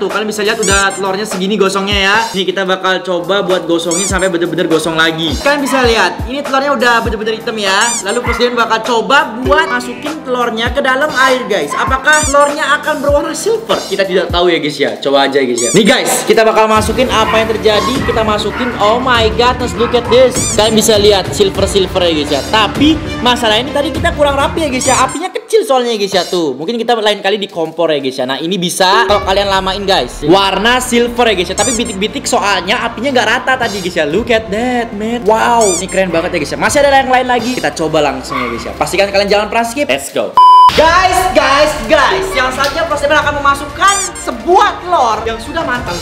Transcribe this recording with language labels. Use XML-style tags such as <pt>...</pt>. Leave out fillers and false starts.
<id>Tuh, kalian bisa lihat udah telurnya segini gosongnya ya. Nih, kita bakal coba buat gosongin sampai bener-bener gosong lagi. Kalian bisa lihat, ini telurnya udah bener-bener hitam ya. Lalu Frost Demon bakal coba buat masukin telurnya ke dalam air, guys. Apakah telurnya akan berwarna silver? Kita tidak tahu ya, guys ya. Coba aja, guys ya. Nih guys, kita bakal masukin apa yang terjadi. Kita masukin,</id> <en>oh my god, let's look at this.</en> <id>Kalian bisa lihat, silver-silver ya, guys ya. Tapi masalahnya ini tadi kita kurang rapi ya, guys ya. Apinya kecil soalnya ya, guys ya, tuh. Mungkin kita lain kali di kompor ya, guys ya. Nah, ini bisa kalau kalian lamain, guys. Warna silver ya, guys ya. Tapi bitik-bitik soalnya apinya nggak rata tadi, guys ya.</id> <en>Look at that, man.</en> <id>Wow, ini keren banget ya, guys ya. Masih ada yang lain lagi. Kita coba langsung ya, guys ya. Pastikan kalian jangan pernah skip.</id> <en>Let's go.</en> <id>Guys, yang selanjutnya Frost Demon akan memasukkan sebuah telur yang sudah matang.</id>